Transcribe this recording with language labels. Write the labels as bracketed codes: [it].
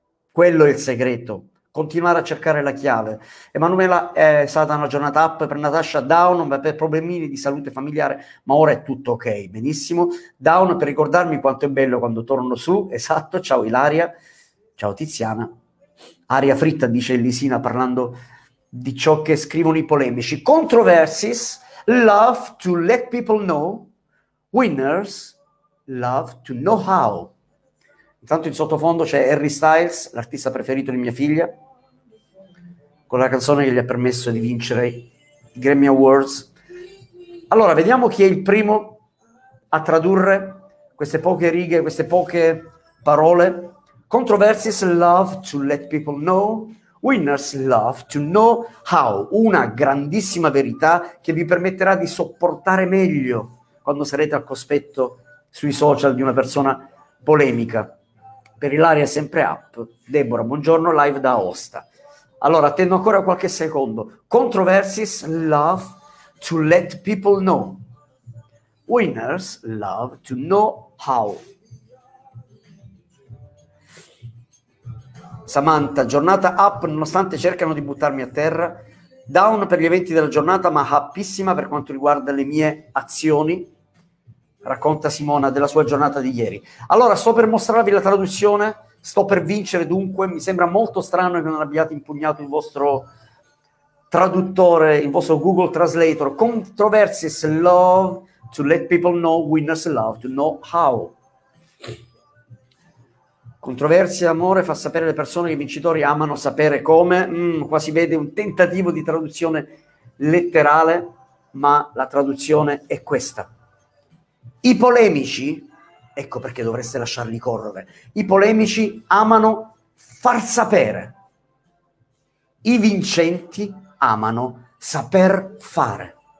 [it] Quello è il segreto, continuare a cercare la chiave. Emanuela, è stata una giornata up, per Natasha down, per problemini di salute familiare, ma ora è tutto ok, benissimo. Down per ricordarmi quanto è bello quando torno su, esatto, ciao Ilaria, ciao Tiziana. Aria fritta, dice Lisina, parlando di ciò che scrivono i polemici. [en] Controversies love to let people know, winners love to know how. [it] Intanto in sottofondo c'è Harry Styles, l'artista preferito di mia figlia, con la canzone che gli ha permesso di vincere i Grammy Awards. Allora, vediamo chi è il primo a tradurre queste poche righe, queste poche parole. [en] Controversies love to let people know, winners love to know how. [it] Una grandissima verità che vi permetterà di sopportare meglio quando sarete al cospetto sui social di una persona polemica. Per Ilaria sempre up. Deborah, buongiorno, live da Aosta. Allora, attendo ancora qualche secondo. [en] Controversies love to let people know. Winners love to know how. [it] Samantha, giornata up, nonostante cercano di buttarmi a terra. Down per gli eventi della giornata, ma happissima per quanto riguarda le mie azioni. Racconta Simona della sua giornata di ieri. Allora, sto per mostrarvi la traduzione, sto per vincere, dunque mi sembra molto strano che non abbiate impugnato il vostro traduttore, il vostro Google Translator. [en] Controversies love to let people know, winners love to know how. [it] Controversia, amore, fa sapere le persone che i vincitori amano sapere come. Qua si vede un tentativo di traduzione letterale, ma la traduzione è questa: i polemici, ecco perché dovreste lasciarli correre, i polemici amano far sapere, i vincenti amano saper fare.